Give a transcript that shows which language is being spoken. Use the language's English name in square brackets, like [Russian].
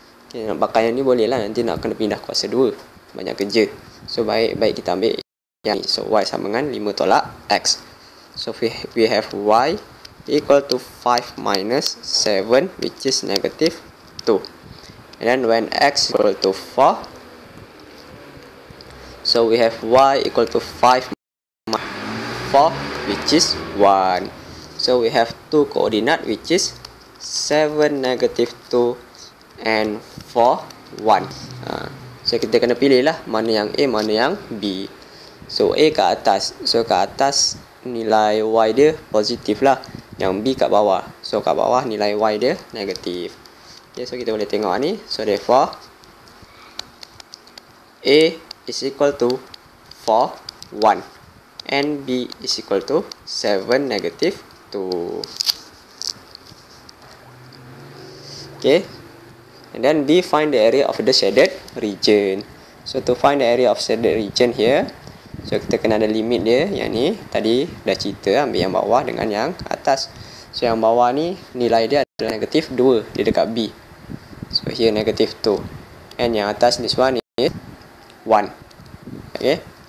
[Malay] Okay, nak pakai yang ni boleh lah. Nanti nak kena pindah kuasa 2. Banyak kerja. So, baik-baik kita ambil yang ni. So, y sama dengan 5 tolak x. [English] So, we have y equal to 5 minus 7, which is negative 2. And then, when x equal to 4. So, we have y equal to 5 minus 4, which is 1. So, we have two coordinate, which is 7, negative 2, and 4, 1. [Malay] So, kita kena pilih lah mana yang A, mana yang B. So, A kat atas. So, kat atas nilai Y dia positif lah. Yang B kat bawah. So, kat bawah nilai Y dia negatif. Okay, so, kita boleh tengok ni. [English] So, therefore, A is equal to 4, 1. And B is equal to 7, negative 2. Okay, and then B, find the area of the shaded region. So, to find the area of shaded region here, so [Malay] kita kena ada limit dia. Yang ni tadi dah cerita, ambil yang bawah dengan yang atas. So, yang bawah ni nilai dia adalah negatif 2, dia dekat B. So, [English] here negative 2, and [Malay] yang atas [English] this one is 1. Okay.